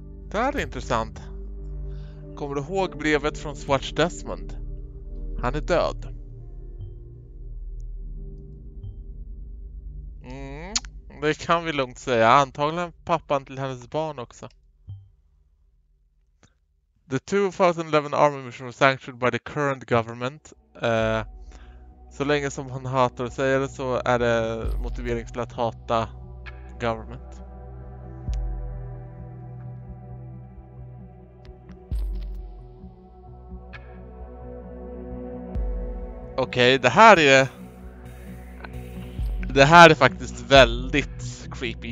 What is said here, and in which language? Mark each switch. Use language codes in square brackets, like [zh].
[sv] Det här är intressant. Kommer du ihåg brevet från Swatch Desmond? Han är död. Det kan vi lugnt säga. Antagligen pappan till hennes barn också. [en] The 2011 Army Mission was sanctioned by the current government. [sv] Så länge som hon hatar och säger det, så är det motivering till att hata government. Okej, det här är faktiskt väldigt creepy.